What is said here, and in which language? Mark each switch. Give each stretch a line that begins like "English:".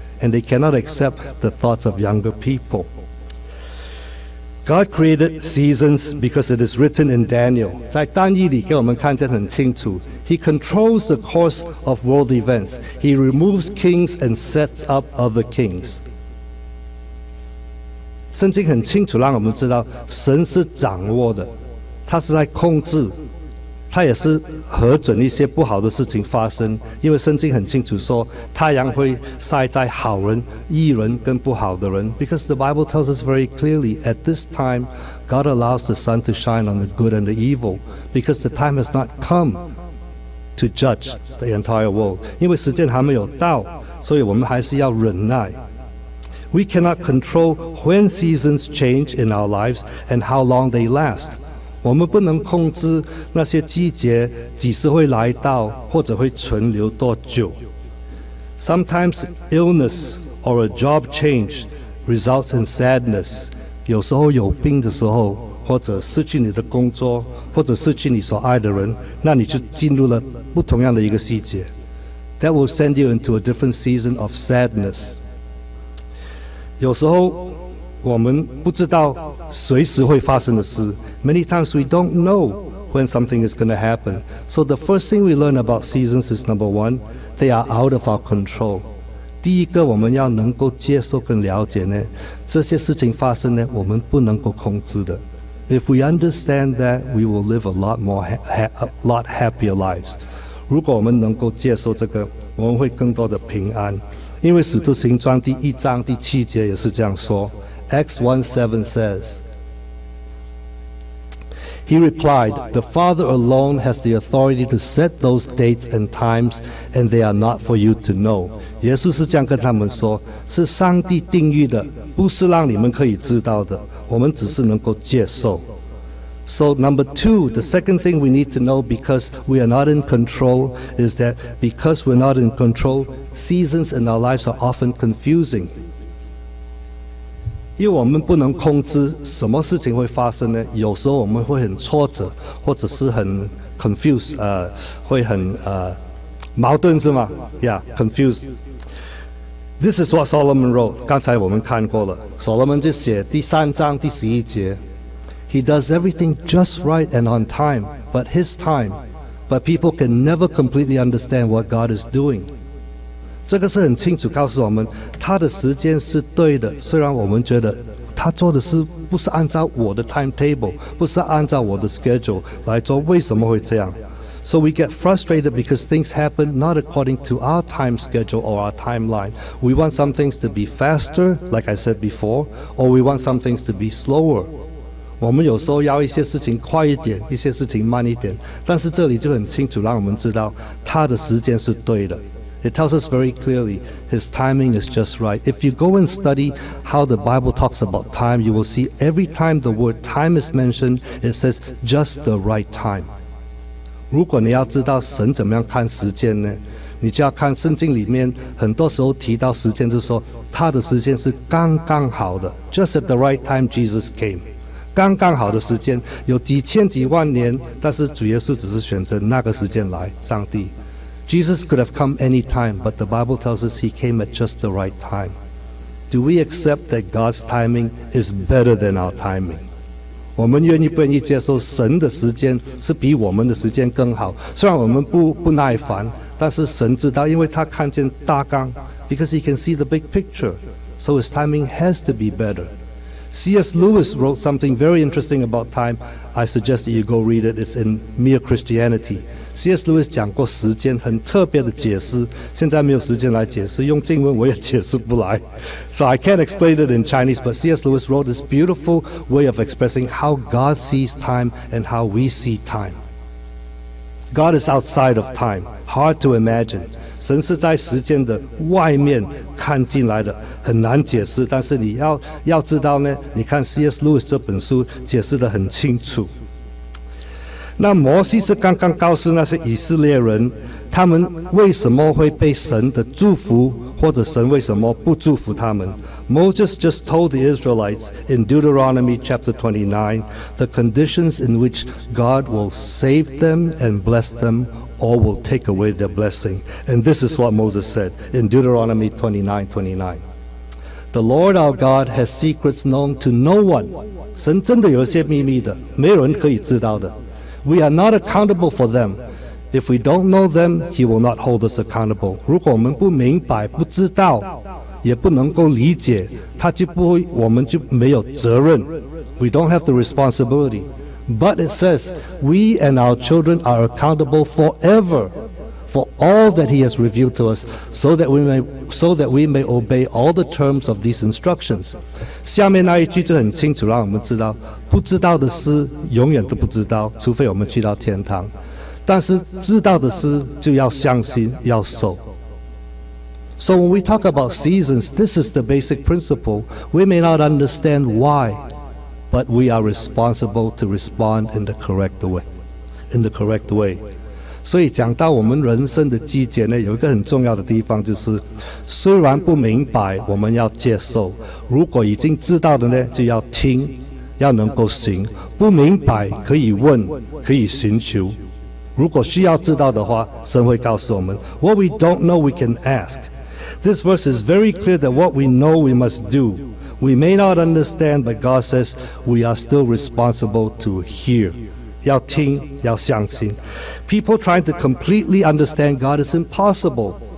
English: And they cannot accept the thoughts of younger people. God created seasons because it is written in Daniel.
Chinese: 在但以理给我们看见很清楚。
English: He controls the course of world events. He removes kings and sets up other kings.
Chinese: 圣经很清楚让我们知道，神是掌握的，他是在控制，他也是核准一些不好的事情发生。因为圣经很清楚说，太阳会晒在好人、义人跟不好的人。
English: Because the Bible tells us very clearly, at this time, God allows the sun to shine on the good and the evil, because the time has not come to judge the entire world.
Chinese: 因为时间还没有到，所以我们还是要忍耐。
English: We cannot control when seasons change in our lives and how long they last.
Chinese: 我们不能控制那些季节几时会来到或者会存留多久。
English: Sometimes illness or a job change results in sadness.
Chinese: 有时候有病的时候，或者失去你的工作，或者失去你所爱的人，那你就进入了不同样的一个季节。
English: That will send you into a different season of sadness.
Chinese: 有时候我们不知道随时会发生的事。
English: Many times we don't know when something is going to happen. So the first thing we learn about seasons is number one, they are out of our control.
Chinese: 第一个我们要能够接受跟了解呢，这些事情发生呢，我们不能够控制的。
English: If we understand that, we will live a lot happier lives.
Chinese: 如果我们能够接受这个，我们会更多的平安。因为使徒行传第一章第七节也是这样说，
English: Acts 1:7 says, He replied, "The Father alone has the authority to set those dates and times, and they are not for you to know."
Chinese: 耶稣是这样跟他们说，是上帝定义的，不是让你们可以知道的，我们只是能够接受。
English: So number two, the second thing we need to know because we are not in control is that because we're not in control, seasons in our lives are often confusing.
Chinese: 因为我们不能控制什么事情会发生呢？有时候我们会很挫折，或者是很 confused, 会很矛盾是吗？
English: Yeah, confused. This is what Solomon wrote.
Chinese: 刚才我们看过了， Solomon 就写第三章第十一节。
English: He does everything just right and on time, but his time, but people can never completely understand what God is doing.
Chinese: 这个是很清楚告诉我们，他的时间是对的，虽然我们觉得他做的是不是按照我的 timetable, 不是按照我的 schedule 来做，为什么会这样？
English: So we get frustrated because things happen not according to our time schedule or our timeline. We want some things to be faster, like I said before, or we want some things to be slower.
Chinese: 我们有时候要一些事情快一点，一些事情慢一点，但是这里就很清楚让我们知道他的时间是对的。
English: It tells us very clearly his timing is just right. If you go and study how the Bible talks about time, you will see every time the word time is mentioned, it says just the right time.
Chinese: 如果你要知道神怎么样看时间呢，你就要看圣经里面很多时候提到时间，就是说他的时间是刚刚好的。
English: Just at the right time Jesus came.
Chinese: 刚刚好的时间，有几千几万年，但是主耶稣只是选择那个时间来。上帝
English: Jesus could have come any time, but the Bible tells us he came at just the right time. Do we accept that God's timing is better than our timing?
Chinese: 我们愿意不愿意接受神的时间是比我们的时间更好？虽然我们不耐烦，但是神知道，因为他看见大纲，
English: because he can see the big picture, so his timing has to be better. C.S. Lewis wrote something very interesting about time. I suggest that you go read it. It's in Mere Christianity. C.S.
Chinese: Lewis 讲过时间很特别的解释，现在没有时间来解释，用经文我也解释不来。
English: So I can't explain it in Chinese, but C.S. Lewis wrote this beautiful way of expressing how God sees time and how we see time. God is outside of time. Hard to imagine.
Chinese: 神是在时间的外面看进来的，很难解释，但是你 要知道呢，你看 C.S. Lewis 这本书解释得很清楚。那摩西是刚刚告诉那些以色列人，他们为什么会被神的祝福，或者神为什么不祝福他们。
English: Moses just told the Israelites in Deuteronomy chapter 29 the conditions in which God will save them and bless themAll will take away their blessing. And this is what Moses said in Deuteronomy 29:29. The Lord our God has secrets known to no one.
Chinese: 神真的有些秘密的，没有人可以知道的。
English: We are not accountable for them. If we don't know them, he will not hold us accountable.
Chinese: 如果我们不明白，不知道，也不能够理解，他就不会，我们就没有责任。
English: We don't have the responsibility. But it says, we and our children are accountable forever for all that he has revealed to us, so that we may obey all the terms of these instructions.
Chinese: 下面那一句就很清楚，让我们知道，不知道的事永远都不知道，除非我们去到天堂。但是知道的事就要相信，要守。
English: So when we talk about seasons, this is the basic principle. We may not understand why. But we are responsible to respond in the correct way. In the correct way.
Chinese: 所以讲到我们人生的季节呢，有一个很重要的地方，就是虽然不明白，我们要接受；如果已经知道的呢，就要听，要能够行。不明白可以问，可以寻求。如果需要知道的话，神会告诉我们。
English: What we don't know, we can ask. This verse is very clear that what we know, we must do. We may not understand, but God says we are still responsible to hear.
Chinese: 要听，要相信。
English: People trying to completely understand God is impossible.